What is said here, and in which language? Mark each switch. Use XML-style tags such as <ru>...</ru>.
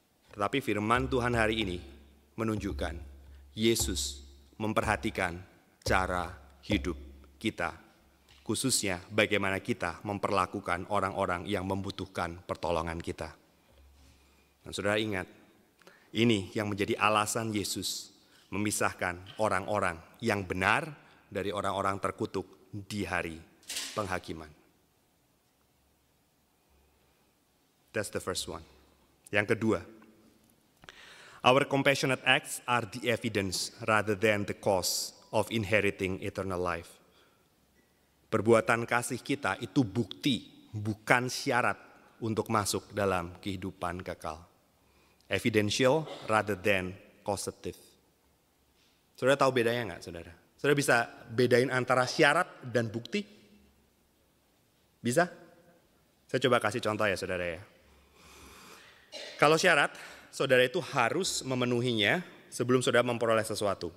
<id>Tetapi firman Tuhan hari ini menunjukkan, Yesus memperhatikan cara hidup kita, khususnya bagaimana kita memperlakukan orang-orang yang membutuhkan pertolongan kita. Dan saudara ingat, ini yang menjadi alasan Yesus memisahkan orang-orang yang benar dari orang-orang terkutuk di hari penghakiman.</id> <en>That's the first one.</en> <id>Yang kedua,</id> <en>our compassionate acts are the evidence rather than the cause of inheriting eternal life.</en> <id>Perbuatan kasih kita itu bukti, bukan syarat untuk masuk dalam kehidupan kekal.</id> <en>Evidential rather than causative.</en> <id>Saudara tahu bedanya enggak, saudara? Saudara bisa bedain antara syarat dan bukti? Bisa? Saya coba kasih contoh ya, saudara ya. Kalau syarat, saudara itu harus memenuhinya sebelum saudara memperoleh sesuatu.</id>